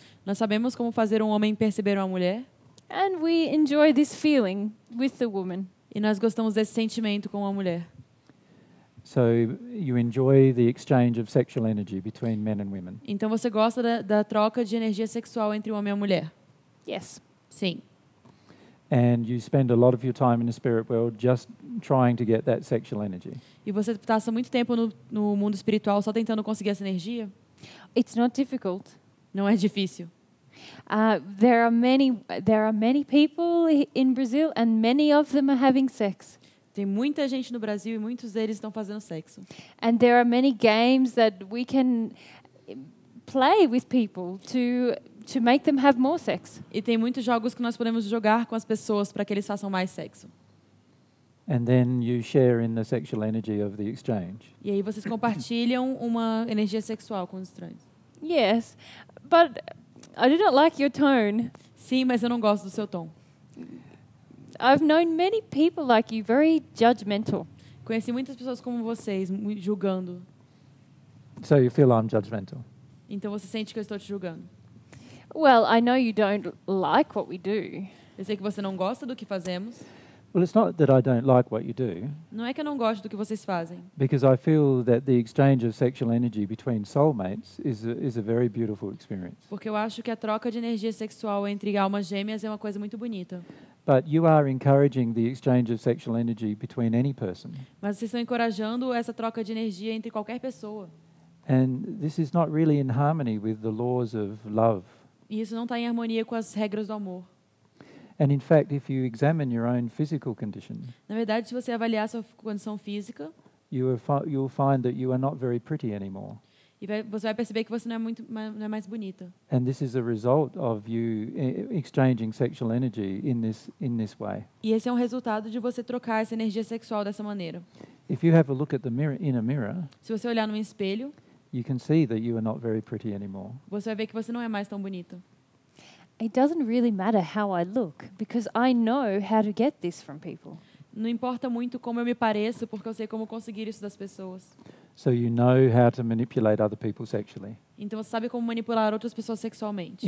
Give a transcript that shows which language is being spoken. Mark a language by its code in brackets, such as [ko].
[pt] Nós sabemos como fazer homem perceber uma mulher. [en] And we enjoy this feeling with the woman. [pt] E nós gostamos desse sentimento com uma mulher. [en] So you enjoy the exchange of sexual energy between men and women. [pt] Então você gosta da troca de energia sexual entre homem e mulher. [en] Yes. [pt] Sim. [en] And you spend a lot of your time in the spirit world just trying to get that sexual energy. [pt] E você passa muito tempo no mundo espiritual só tentando conseguir essa energia? [en] It's not difficult. [pt] Não é difícil. [en] There are many people in Brazil and many of them are having sex. [pt] Tem muita gente no Brasil e muitos deles estão fazendo sexo. [en] And there are many games that we can play with people to make them have more sex. [pt] E tem muitos jogos que nós podemos jogar com as pessoas para que eles façam mais sexo. [en] And then you share in the sexual energy of the exchange. [pt] E aí vocês compartilham uma energia sexual com os estranhos. [en] Yes, but I do not like your tone. [pt] Sim, mas eu não gosto do seu tom. [en] I've known many people like you, very judgmental. [pt] Conheci muitas pessoas como vocês, julgando. [en] So you feel I'm judgmental. [pt] Então você sente que eu estou te julgando. [en] Well, I know you don't like what we do. [pt] Eu sei que você não gosta do que fazemos. [en] Well, it's not that I don't like what you do. [pt] Não é que eu não gosto do que vocês fazem. [en] Because I feel that the exchange of sexual energy between soulmates is a very beautiful experience. [pt] Porque eu acho que a troca de energia sexual entre almas gêmeas é uma coisa muito bonita. [en] But you are encouraging the exchange of sexual energy between any person. [pt] Mas vocês estão encorajando essa troca de energia entre qualquer pessoa. [en] And this is not really in harmony with the laws of love. [pt] E isso não está em harmonia com as regras do amor. [en] And in fact, if you examine your own physical condition, [pt] na verdade, se você avaliar sua condição física, [en] you'll find that you are not very pretty anymore. [pt] E você vai perceber que você não é muito não é mais bonita. [en] And this is a result of you exchanging sexual energy in this way. [pt] E esse é resultado de você trocar essa energia sexual dessa maneira. [en] If you have a look at the mirror, in a mirror, [pt] se você olhar no espelho, [en] you can see that you are not very pretty anymore. [pt] Você vai ver que você não é mais tão bonito. [en] It doesn't really matter how I look because I know how to get this from people. [pt] Não importa muito como eu me pareço porque eu sei como conseguir isso das pessoas. [en] So you know how to manipulate other people sexually. [pt] Então você sabe como manipular outras pessoas sexualmente.